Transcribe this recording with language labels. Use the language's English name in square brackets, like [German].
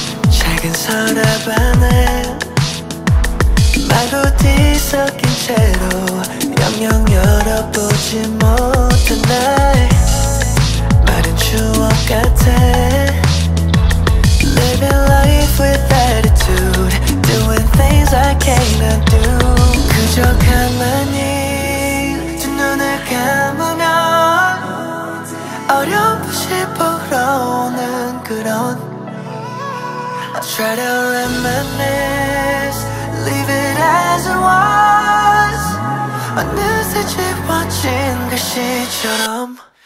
[English] Checking out of my head, [Korean] 말도 섞인 채로 영영 열어보지 못한 날. 마른 추억 같아. [English] Living life with attitude, doing things I cannot do. [Korean] 그저 가만히 두 눈을 감으면 어렴풋이 불어오는 그런. [English] I try to reminisce, leave it as it was. [Korean] 어느새 지워진 글씨처럼.